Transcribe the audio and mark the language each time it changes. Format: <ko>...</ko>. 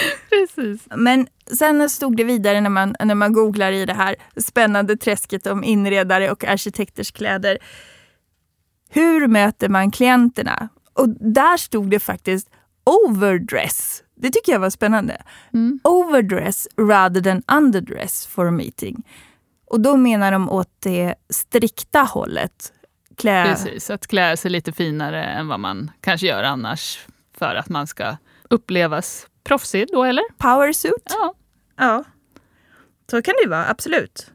<sv>Precis. Men sen stod det vidare när man googlar i det här spännande träsket om inredare och arkitekters kläder. Hur möter man klienterna? Och där stod det faktiskt overdress. Det tycker jag var spännande. Mm.</sv> <en>Overdress rather than underdress for a meeting.</en> <sv>Och då menar de åt det strikta hållet. Precis, att klä sig lite finare än vad man kanske gör annars. För att man ska upplevas proffsig då, eller?</sv> <en>Power suit?</en> <sv>Ja. Ja. Så kan det vara, absolut.</sv>